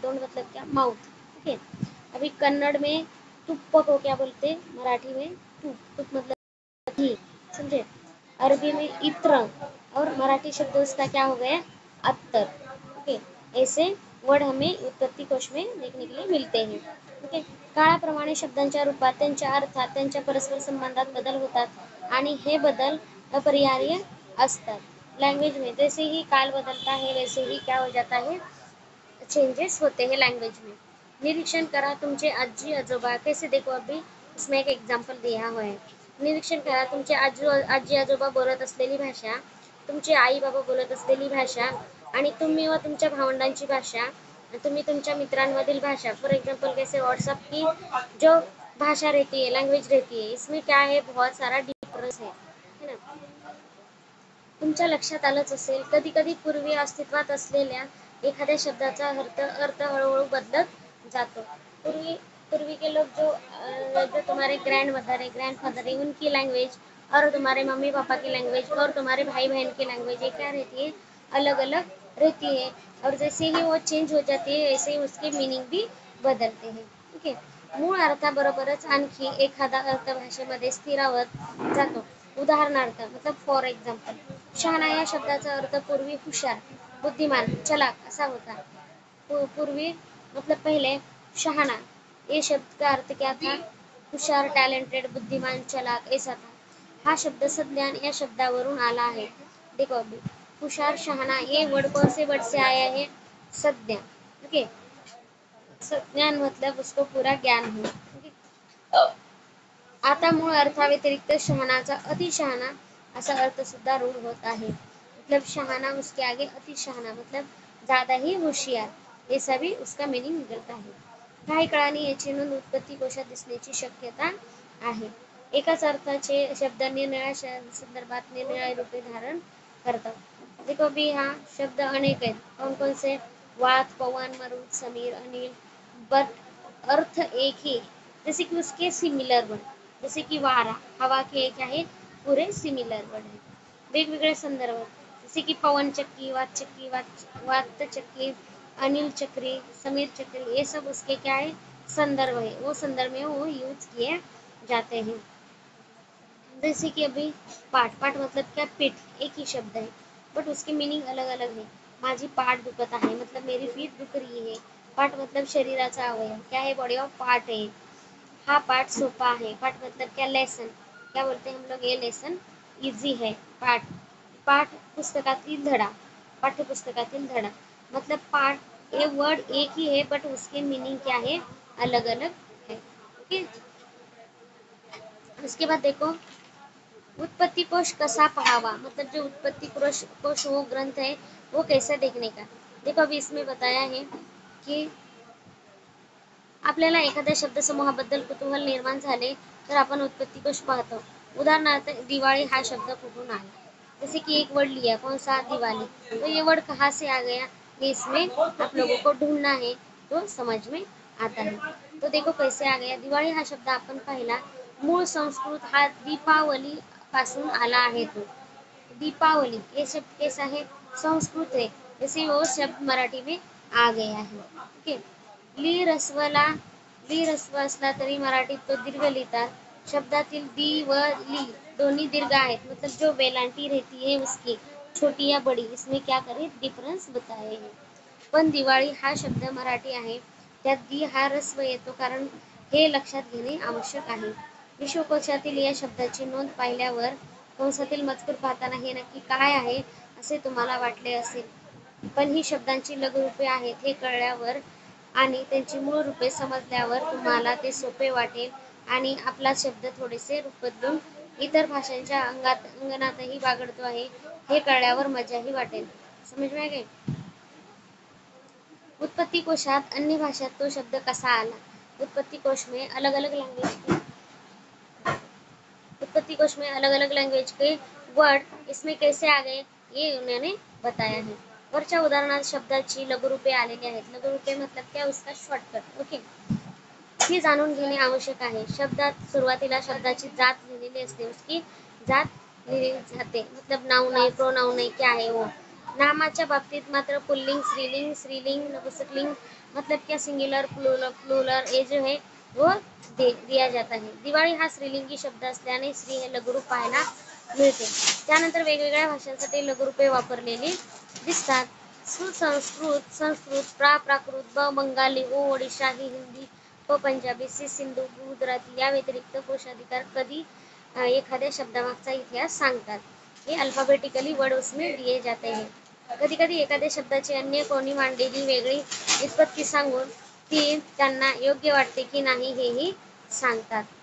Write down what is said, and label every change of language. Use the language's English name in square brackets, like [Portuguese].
[Hindi] तोंड मतलब क्या, माउथ, ठीक है। अभी कन्नड़ में तुप को क्या बोलते, मराठी में तुप, तुप मतलब घी, समझे। अरबी में इत्र, और मराठी शब्द उसका क्या हो गया, अत्तर। ऐसे वर्ड हमें उत्पत्ति कोश में देखने के लिए मिलते हैं, ठीक है। [Marathi] काळाप्रमाणे शब्दांच्या रूपात त्यांच्या अर्थात त्यांच्या परस्पर संबंधात बदल होतात, आणि हे बदल अपरिहार्य असतात। [Hindi] लैंग्वेज में जैसे ही काल बदलता है वैसे ही क्या हो जाता है, चेंजेस होते हैं लैंग्वेज में। [Marathi] निरीक्षण करा, तुमचे आजी आजोबा [Hindi] कैसे, देखो अभी इसमें एक एग्जाम्पल दिया हुआ है। [Marathi] निरीक्षण करा, तुमचे आजी आजोबा बोलत असलेली भाषा, तुमचे आई बाबा बोलत असलेली भाषा, आणि तुम्ही व तुमच्या भावंडांची भाषा, तुम्ही तुमच्या मित्रांमधील भाषा, [Hindi] फॉर एग्जाम्पल कैसे व्हॉट्सअप की जो भाषा रहती है, लैंग्वेज रहती है, इसमें क्या है, बहुत सारा डिफरेंस है ना। [Marathi] तुमच्या लक्षात आलंच असेल, कधी कधी पूर्वी अस्तित्वात असलेल्या एखाद्या शब्दाचा अर्थ हळूहळू बदलत जातो. [Hindi] पूर्वी के लोग जो तुम्हारे ग्रैंड मदर है, ग्रैंड फादर है, उनकी लैंग्वेज और तुम्हारे मम्मी पापा की लैंग्वेज और तुम्हारे भाई बहन की लैंग्वेज ये क्या रहती है, अलग अलग रहती है. और जैसे ही वो चेंज हो जाती है वैसे ही उसके मीनिंग भी बदलते हैं. ठीक है, [Marathi] मूळ अर्थाबरोबरच आणखी एखादा अर्थ भाषेमध्ये स्थिरावत जातो. उदाहरणार्थ मतलब फॉर एक्झाम्पल, शहाणा या शब्दाचा अर्थ पूर्वी हुशार, बुद्धिमान, चलाक असा होता. [Hindi] पूर्वी मतलब पहले शहाणा ये शब्द का अर्थ क्या था, हुशार, टैलेंटेड, बुद्धिमान, चलाक ऐसा था. [Marathi] हा शब्द संज्ञान या शब्दावरून आला आहे. [Hindi] देखो अभी हुशार शहाणा ये वर्ड कौन से वर्ड से आया है, संज्ञा. ओके, संज्ञान मतलब उसको पूरा ज्ञान हो. [Marathi] आता मूळ अर्थाव्यतिरिक्त शहाणाचा अतिशहाणा असा अर्थ सुद्धा रूढ होत आहे. [Hindi] मतलब शहाणा उसके आगे अतिशहाणा मतलब ज्यादा ही होशियार ऐसा भी उसका मीनिंग निकलता आहे. [Marathi] काही कळाने याची नोंद उत्पत्ती कोशात दिसण्याची शक्यता आहे. एकाच अर्थाचे शब्द निरनिराळ्या संदर्भात निरनिराळे रूपे धारण करतात. [Hindi] देखो भी [Marathi] हा शब्द अनेक आहेत. कोण कोण से, वात, पवन, मरुत, समीर, अनिल, [Hindi] बट अर्थ एक ही. जैसे कि उसके सिमिलर वर्ड, जैसे कि वारा हवा के एक आहे, पूरे सिमिलर वर्ड है. [Marathi] वेगवेगळे संदर्भ [Hindi] जैसे कि पवन चक्की, वात चक्की, वात चक्की, अनिल चक्री, समीर चक्री, ये सब उसके क्या है, संदर्भ है. वो संदर्भ में वो यूज किए जाते हैं. जैसे कि अभी पाठ, पाठ मतलब क्या, पीठ, एक ही शब्द है बट उसकी मीनिंग अलग अलग है. [Marathi] माझी पाठ दुखत [Hindi] है मतलब मेरी पीठ दुख रही है. पाठ मतलब शरीराचा अवयव क्या है, बॉडी ऑफ पार्ट है. [Marathi] हा पाठ सोपा है. [Hindi] पाठ मतलब क्या, लेसन, क्या बोलते हैं हम लोग, ये लेसन इजी है. [Marathi] पाठ पाठ पुस्तकातील धडा, पाठ्य पुस्तकातील धडा मतलब पार्ट. [Hindi] ये वर्ड एक ही है बट उसके मीनिंग क्या है, अलग अलग है. ओके, उसके बाद देखो उत्पत्ति कोश [Marathi] कसा पहावा, [Hindi] मतलब जो उत्पत्ति कोश वो ग्रंथ है वो कैसे देखने का. देखो अभी इसमें बताया है कि [Marathi] आपल्याला एखाद्या शब्द समूहाबद्दल कुतूहल निर्माण झाले तर आपण उत्पत्ति कोश पाहतो. उदाहरणार्थ दिवाळी हा शब्द कुठून आला, [Hindi] जैसे कि एक वर्ड लिया कौन सा, दिवाली, तो ये वर्ड कहाँ से आ गया, इसमें आप लोगों को ढूंढना है तो समझ में आता है. तो देखो कैसे आ गया, [Marathi] दिवाली हा शब्द अपन पहला मूल संस्कृत हा दीपावली पासून आला आहे. [Hindi] तो दीपावली ये शब्द कैसा है, संस्कृत है, जैसे वो शब्द मराठी में आ गया है. [Marathi] ओके, ली रस्वला, ली रस्व असला तरी मराठी तो दीर्घ लिहिता. शब्दातील दी व ली दोन्ही दीर्घ आहेत, [Hindi] मतलब जो वेलांटी रहती है उसकी छोटी या बड़ी इसमें क्या करे, डिफरेंस बताए हैं. [Marathi] पण दिवाळी हा शब्द मराठी आहे, त्यात दी हा ऱ्हस्व येतो कारण हे लक्षात घेणे आवश्यक आहे. विश्वकोशातील या शब्दाची नोंद पाहिल्यावर कंसातील मजकूर पाहताना हे नक्की काय आहे असे तुम्हाला वाटले असेल. पण ही शब्दांची लघुरूपे आहेत हे कळल्यावर आणि त्यांची मूळ रूपे समजल्यावर तुम्हाला ते सोपे वाटेल आणि आपला शब्द थोडेसे रूपबद्धून इतर भाषांच्या अंगात अंगणातही बागडतो आहे हे कळल्यावर मजाही वाटेल. [Hindi] समज में आ गए. [Marathi] उत्पत्ति कोशात अन्य भाषा तो शब्द कसा आला, [Hindi] उत्पत्ति कोश में अलग अलग लैंग्वेज के, उत्पत्ति कोश में अलग अलग लैंग्वेज के वर्ड इसमें कैसे आ गए ये उन्होंने बताया है. [Marathi] वरच्या उदाहरणात शब्दाची लघु रूपे आलेली आहेत. [Hindi] लघु रूपे मतलब क्या, उसका शॉर्टकट. [Marathi] ओके, हे जाणून घेणे आवश्यक आहे. शब्दात सुरुवातीला शब्दाची जात लिहिलेली असते, [Hindi] उसकी जात लिहिली जाते, [Marathi] मतलब नाउन आहे, प्रोनाउन आहे, क्या आहे वो. नामाच्या बाबतीत मात्र पुल्लिंग, स्त्रीलिंग, स्त्रीलिंग, नपुंसकलिंग [Hindi] मतलब क्या, [Marathi] सिंग्युलर, प्लुरल, प्लुरल ये जो है वो दिया जाता है. दिवाळी हा स्त्रीलिंगी शब्द असल्याने स्त्री हे लघुरूप पाहायला मिळते. त्यानंतर वेगवेगळ्या भाषांसाठी लघुरूपे वापरलेली दिसतात. सुसंस्कृत, संस्कृत, प्रा प्राकृत, ब बंगाली, ओ ओडिशा, ही हिंदी, व पंजाबी, सी सिंधू, गुजराती या व्यतिरिक्त कोशाधिकार कधी एखाद्या शब्दामागचा इतिहास सांगतात. [Hindi] हे अल्फाबेटिकली वर्ड उसमें दिए जाते हैं. [Marathi] कधी कधी एखाद्या शब्दाची अन्य कोणी मांडलेली वेगळी उत्पत्ती सांगून ती त्यांना योग्य वाटते की नाही हेही सांगतात.